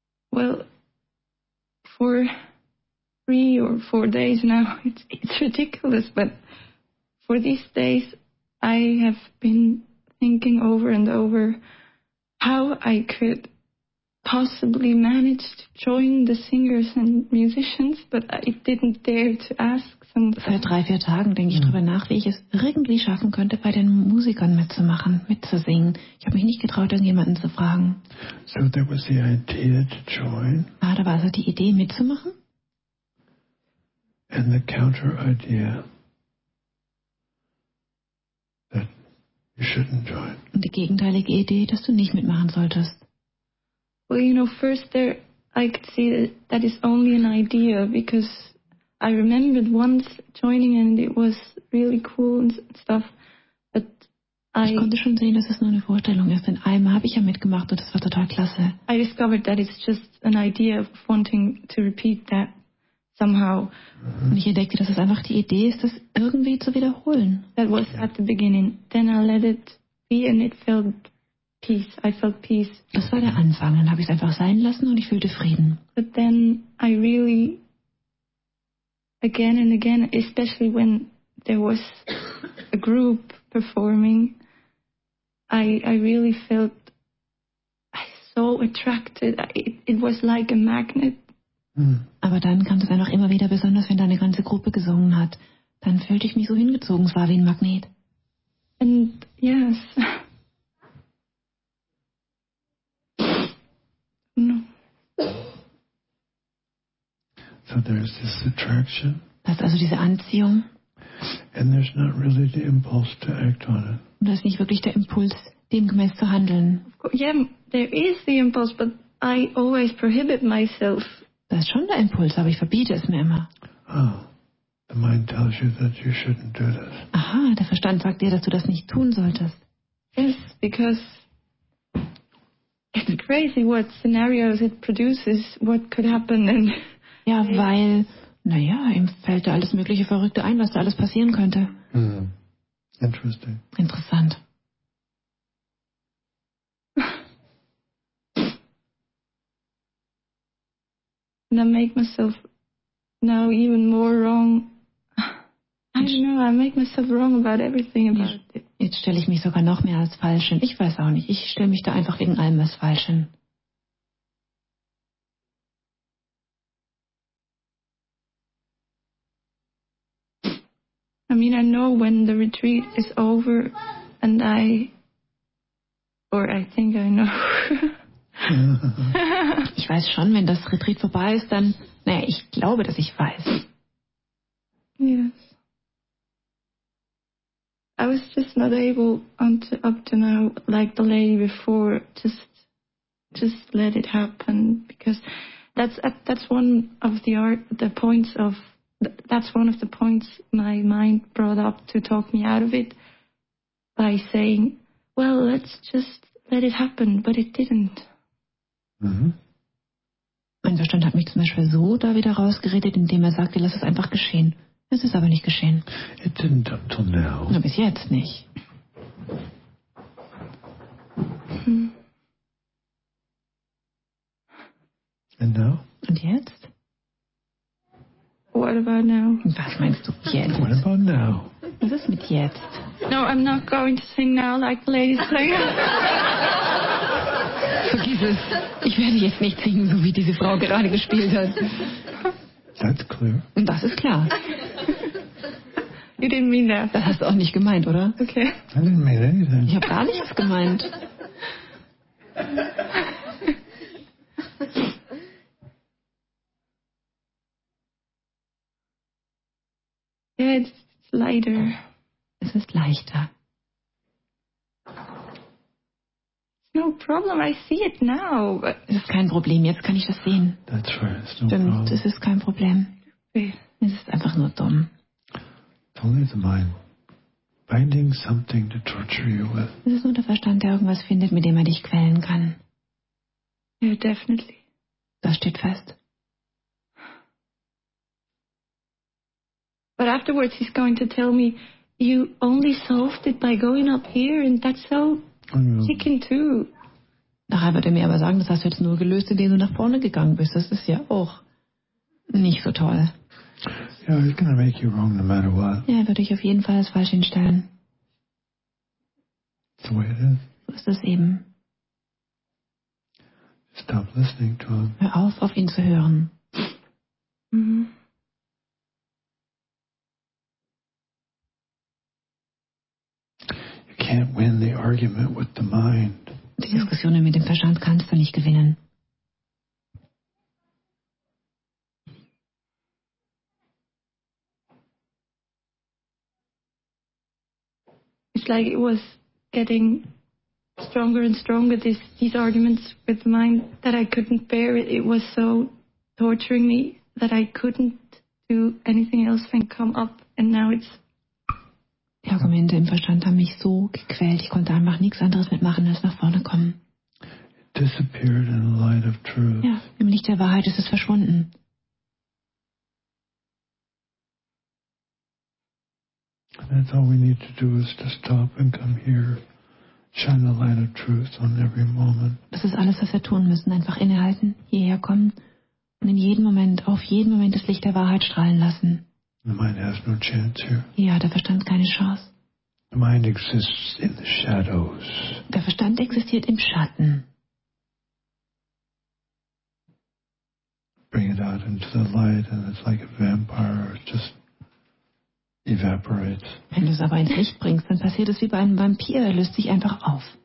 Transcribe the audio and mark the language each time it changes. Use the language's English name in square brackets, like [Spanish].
[English] Well, for 3 or 4 days now, it's ridiculous, but for these days, I have been thinking over and over how I could possibly manage to join the singers and musicians, but I didn't dare to ask someone. [German] Seit 3, 4 Tagen denke ich darüber nach, wie ich es irgendwie schaffen könnte, bei den Musikern mitzumachen, mitzusingen. Ich habe mich nicht getraut, irgendjemanden zu fragen. [English] So there was the idea to join. [German] Ah, da war also die Idee, mitzumachen. [English] And the counter idea that you shouldn't join. [German] Und die gegenteilige Idee, dass du nicht mitmachen solltest. [English] Well, you know, first there, I could see that is only an idea, because I remembered once joining and it was really cool and stuff, but [German] ich konnte schon sehen, dass es nur eine Vorstellung ist. Denn einmal habe ich ja mitgemacht und das war total klasse. [English] I discovered that it's just an idea of wanting to repeat that somehow. [German] Und ich entdeckte, dass es einfach die Idee ist, das irgendwie zu wiederholen. [English] That was at the beginning. Then I let it be and it felt peace. I felt peace. [German] Das war der Anfang. Dann habe ich es einfach sein lassen und ich fühlte Frieden. [English] But then I really, again and again, especially when there was a group performing, I really felt so attracted. It was like a magnet. [German] Aber dann kam es einfach immer wieder, besonders wenn deine ganze Gruppe gesungen hat. Dann fühlte ich mich so hingezogen. Es war wie ein Magnet. [English] And yes. No. So there's this attraction. [German] Das ist also diese Anziehung. [English] And there's not really the impulse to act on it. [German] Und da ist nicht wirklich der Impuls, demgemäß zu handeln. [English] Yeah, there is the impulse, but I always prohibit myself. [German] Da ist schon der Impuls, aber ich verbiete es mir immer. [English] Oh, the mind tells you that you shouldn't do this. [German] Aha, der Verstand sagt dir, dass du das nicht tun solltest. [English] Yes, because it's crazy what scenarios it produces, what could happen. And [German] ja, weil, naja, ihm fällt da alles mögliche Verrückte ein, was da alles passieren könnte. [English] Mm. Interesting. [German] Interessant. [English] And I make myself now even more wrong. I don't know, I make myself wrong about everything about it. [German] Jetzt stelle ich mich sogar noch mehr als falsch hin. Ich weiß auch nicht. Ich stelle mich da einfach wegen allem als falsch hin. [English] I mean, I know when the retreat is over and I... Or I think I know. [German] Ich weiß schon, wenn das Retreat vorbei ist, dann... Naja, ich glaube, dass ich weiß. [English] Yes. I was just not able up to now, like the lady before, just let it happen, because that's one of the points my mind brought up to talk me out of it by saying, well, let's just let it happen, but it didn't. Mhm. [German] Mein Verstand hat mich zum Beispiel so da wieder rausgeredet, indem er sagte, lass es einfach geschehen. Es ist aber nicht geschehen. [English] It didn't up till now. [German] Nur bis jetzt nicht. Hm. [English] And now? [German] Und jetzt? [English] What about now? [German] Was meinst du jetzt? [English] What about now? [German] Was ist mit jetzt? [English] No, I'm not going to sing now like the ladies sing. [German] Vergiss es. Ich werde jetzt nicht singen, so wie diese Frau gerade gespielt hat. [English] That's clear. [German] Und das ist klar. [English] You didn't mean that. [German] Das hast du auch nicht gemeint, oder? [English] Okay. I didn't mean anything. [German] Ich habe gar nichts gemeint. [English] Yeah, it's lighter. [German] Es ist leichter. [English] No problem, I see it now. But [German] es ist kein Problem, jetzt kann ich das sehen. [English] That's right, it's no problem. [German] Es ist kein Problem. Es ist einfach nur dumm. [English] It's only the mind finding something to torture you with. [German] Es ist nur der Verstand, der irgendwas findet, mit dem er dich quälen kann. [English] Yeah, definitely. [German] Das steht fest. [English] But afterwards he's going to tell me, you only solved it by going up here and that's so... Chicken too. [German] Nachher wird er mir aber sagen, das hast du jetzt nur gelöst, indem du nach vorne gegangen bist. Das ist ja auch nicht so toll. [English] Yeah, he's gonna make you wrong no matter what. [German] Ja, er wird dich auf jeden Fall als falsch hinstellen. [English] That's the way it is. [German] So ist das eben. [English] Stop listening to him. [German] Hör auf ihn zu hören. Mhm. [English] Can't win the argument with the mind. [German] Die Diskussion mit dem Verstand kannst du nicht gewinnen. [English] It's like it was getting stronger and stronger, these arguments with the mind, that I couldn't bear it. It was so torturing me that I couldn't do anything else than come up, and now it's [German] die Argumente im Verstand haben mich so gequält, ich konnte einfach nichts anderes mitmachen, als nach vorne kommen. [English] It disappeared in the light of truth. [German] Ja, im Licht der Wahrheit ist es verschwunden. [English] That's all we need to do is to stop and come here, shine the light of truth on every moment. [German] Das ist alles, was wir tun müssen, einfach innehalten, hierher kommen und in jedem Moment, auf jeden Moment das Licht der Wahrheit strahlen lassen. [English] The mind has no chance here. [German] Ja, der Verstand keine Chance. [English] The mind exists in the shadows. [German] Der Verstand existiert im Schatten. [English] Bring it out into the light and it's like a vampire, just evaporates. [German] Wenn du es aber ins Licht bringst, dann passiert es wie bei einem Vampir, er löst sich einfach auf.